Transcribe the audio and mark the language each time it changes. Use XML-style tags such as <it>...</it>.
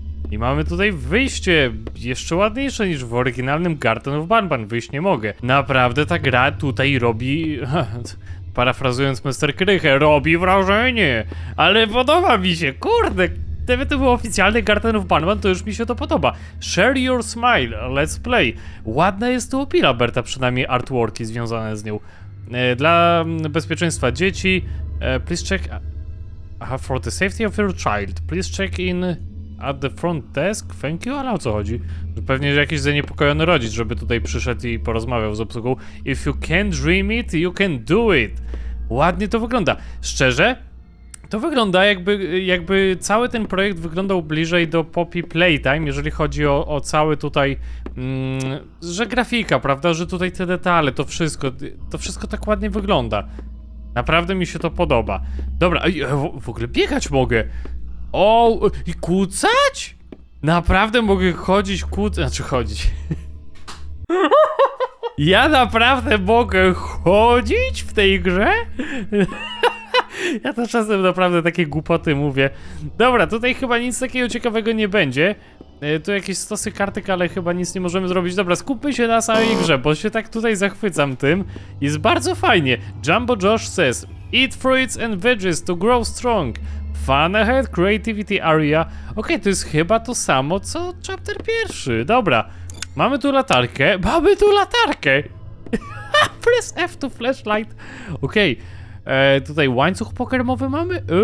<pl>I mamy tutaj wyjście jeszcze ładniejsze niż w oryginalnym Garden of Banban, wyjść nie mogę. Naprawdę ta gra tutaj robi, parafrazując Mr. Krychę, robi wrażenie, ale podoba mi się, kurde, gdyby to był oficjalny Garden of Banban, to już mi się to podoba.</pl> <en>Share your smile, let's play.</en> <pl>Ładna jest tu opila Berta, przynajmniej artworki związane z nią. Dla bezpieczeństwa dzieci,</pl> <en>please check... for the safety of your child, please check in... At the front desk? Thank you,</en> <pl>ale o co chodzi? Pewnie jakiś zaniepokojony rodzic, żeby tutaj przyszedł i porozmawiał z obsługą.</pl> <en>If you can dream it, you can do it.</en> <pl>Ładnie to wygląda. Szczerze? To wygląda jakby cały ten projekt wyglądał bliżej do Poppy Playtime, jeżeli chodzi o cały tutaj, że grafika, prawda? Że tutaj te detale, to wszystko tak ładnie wygląda. Naprawdę mi się to podoba. Dobra, w ogóle biegać mogę. O, i kucać? Naprawdę mogę chodzić chodzić. Ja naprawdę mogę chodzić w tej grze? Ja to czasem naprawdę takie głupoty mówię. Dobra, tutaj chyba nic takiego ciekawego nie będzie. Tu jakieś stosy kartek, ale chyba nic nie możemy zrobić. Dobra, skupmy się na samej grze, bo się tak tutaj zachwycam tym. Jest bardzo fajnie.</pl> <en>Jumbo Josh says, eat fruits and veggies to grow strong. Fun ahead, creativity area.</en> <pl>Okej, to jest chyba to samo co chapter pierwszy. Dobra. Mamy tu latarkę. Mamy tu latarkę!</pl> <en>Press F to flashlight. Okej.</en> <pl>Tutaj łańcuch pokarmowy mamy?</pl>